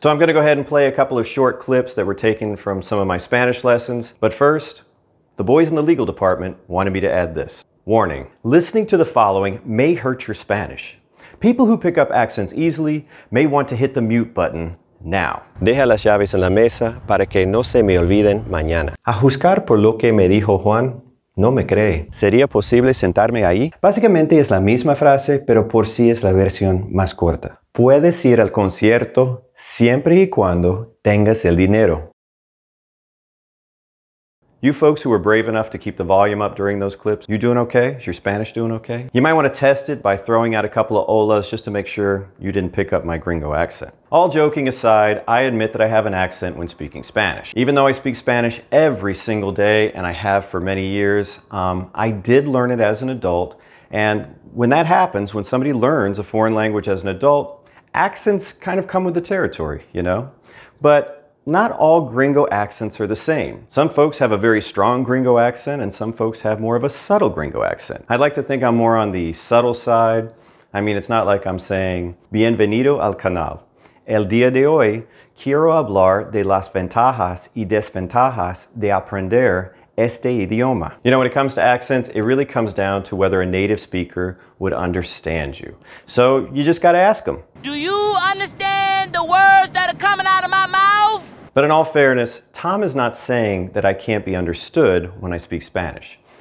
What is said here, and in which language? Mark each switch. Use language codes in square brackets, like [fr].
[en] So I'm gonna go ahead and play a couple of short clips that were taken from some of my Spanish lessons. But first, the boys in the legal department wanted me to add this. Warning, listening to the following may hurt your Spanish. People who pick up accents easily may want to hit the mute button now. [es] Deja las llaves en la mesa para que no se me olviden mañana. A juzgar por lo que me dijo Juan, no me cree. ¿Sería posible sentarme ahí? Básicamente es la misma frase, pero por sí es la versión más corta. Puedes ir al concierto siempre y cuando tengas el dinero. [en] You folks who were brave enough to keep the volume up during those clips, you doing okay? Is your Spanish doing okay? You might want to test it by throwing out a couple of olas just to make sure you didn't pick up my gringo accent. All joking aside, I admit that I have an accent when speaking Spanish. Even though I speak Spanish every single day, and I have for many years, I did learn it as an adult. And when that happens, when somebody learns a foreign language as an adult, accents kind of come with the territory, you know? But not all gringo accents are the same. Some folks have a very strong gringo accent and some folks have more of a subtle gringo accent. I'd like to think I'm more on the subtle side. I mean, it's not like I'm saying, [es] Bienvenido al canal. El día de hoy, quiero hablar de las ventajas y desventajas de aprender este idioma. [en] You know, when it comes to accents, it really comes down to whether a native speaker would understand you. So you just gotta ask them. Do you understand the words that are coming out of my mouth? But in all fairness, Tom is not saying that I can't be understood when I speak Spanish.